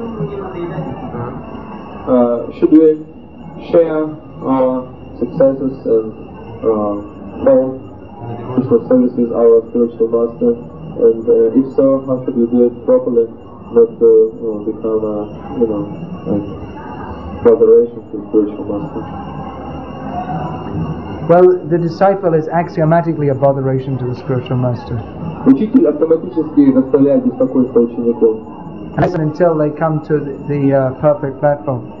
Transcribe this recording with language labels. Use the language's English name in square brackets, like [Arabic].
[English] Should we share our successes and fail Krishna's services, our spiritual master? And if so, how should we do it properly, not to become a, you know, like botheration to spiritual master? Well, the disciple is axiomatically a botheration to the spiritual master. [Russian] Учитель автоматически доставляет беспокойство ученику. [English] That's until they come to the perfect platform.